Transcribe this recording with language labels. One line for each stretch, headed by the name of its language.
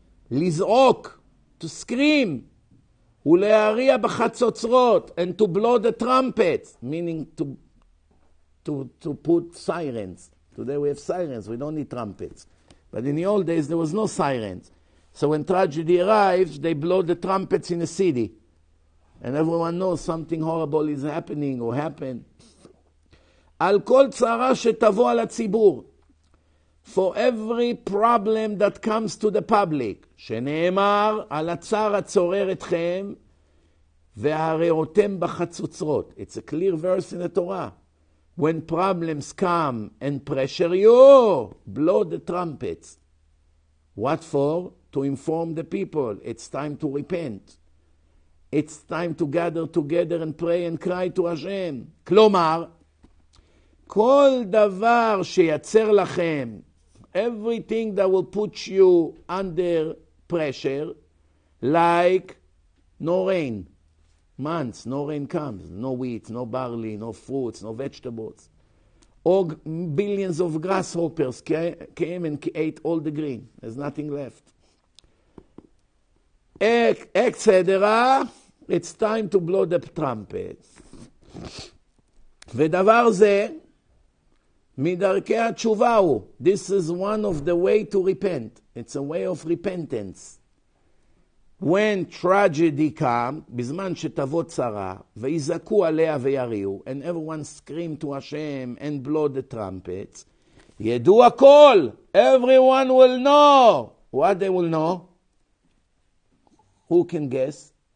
English: Lizok, to scream,
Hebrew: ולהריה בחצוצרות,
English: and to blow the trumpets, meaning to put sirens. Today we have sirens, we don't need trumpets. But in the old days there was no sirens. So when tragedy arrives, they blow the trumpets in a city. And everyone knows something horrible is happening or happened.
Hebrew: על כל צערה שתבוא על הציבור,
English: for every problem that comes to the public,
Hebrew: שנאמר על הצער הצורר אתכם, והראותם בחצוצרות.
English: It's a clear verse in the Torah. When problems come and pressure you, blow the trumpets. What for? To inform the people. It's time to repent. It's time to gather together and pray and cry to Hashem.
Hebrew: כלומר, כל דבר שיצר לכם,
English: everything that will put you under pressure, like no rain. Months, no rain comes, no wheat, no barley, no fruits, no vegetables. All billions of grasshoppers came and ate all the green. There's nothing left. Etc. It's time to blow the trumpet.
Hebrew: ודבר זה, מדרכי התשובה הוא.
English: This is one of the way to repent. It's a way of repentance. When tragedy comes,
Hebrew: בזמן שתבוא צרה, ויזעקו עליה ויריעו,
English: and everyone scream to Hashem and blow the trumpets,
Hebrew: ידעו הכל,
English: everyone will know. What they will know? Who can guess?